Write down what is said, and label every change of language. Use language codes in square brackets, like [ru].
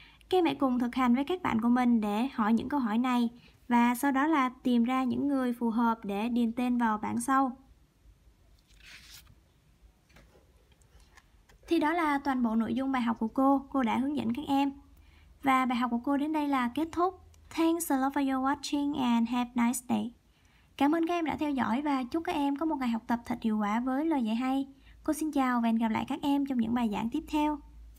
[vi] Các em hãy cùng thực hành với các bạn của mình để hỏi những câu hỏi này. Và sau đó là tìm ra những người phù hợp để điền tên vào bảng sau. Thì đó là toàn bộ nội dung bài học của cô. Cô đã hướng dẫn các em. Và bài học của cô đến đây là kết thúc. [en] Thanks a lot for your watching and have a nice day. [vi] Cảm ơn các em đã theo dõi và chúc các em có một ngày học tập thật hiệu quả với lời dạy hay. Cô xin chào và hẹn gặp lại các em trong những bài giảng tiếp theo.